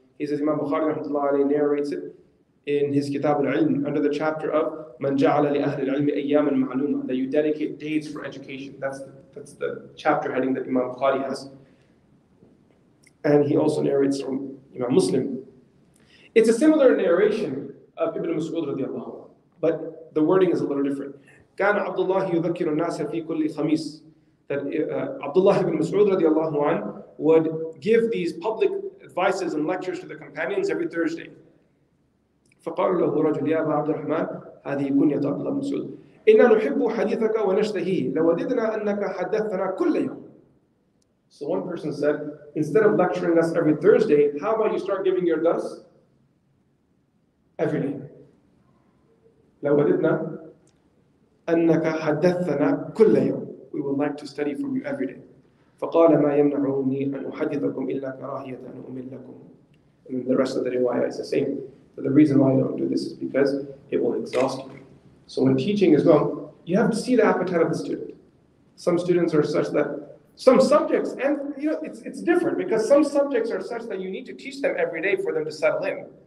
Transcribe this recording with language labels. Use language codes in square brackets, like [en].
[en] He says Imam Bukhari rahmatullahi alayhi narrates it in his Kitab al-Ilm under the chapter of [ar] Man ja'ala li ahli al-ilmi ayyaman ma'luma, [en] that you dedicate days for education. That's the chapter heading that Imam Bukhari has. And he also narrates from Imam Muslim. It's a similar narration of Ibn Mas'ud radiallahu anhu, but the wording is a little different. [ar] كان عبد الله يذكر الناس في كل خميس. [en] That Abdullah ibn Mas'ud radiallahu anhu would give these public advices and lectures to the companions every Thursday. [ar] فقال له رجل يا أبا عبد الرحمن هذه كنية عبد الله بن مسعود إنا نحب حديثك ونشتهي لوددنا أنك حدثتنا كل يوم. [en] So one person said, instead of lecturing us every Thursday, how about you start giving your dars every day? [ar] لوددنا أنك حدثتنا كل يوم. [en] We would like to study from you every day. [ar] فقال ما يمنعني أن أحدثكم إلا كراهية أن أمل لكم. [en] And the rest of the riwayah is the same. But the reason why I don't do this is because it will exhaust you. So when teaching as well, you have to see the appetite of the student. Some students are such that some subjects, and you know, it's different because some subjects are such that you need to teach them every day for them to settle in.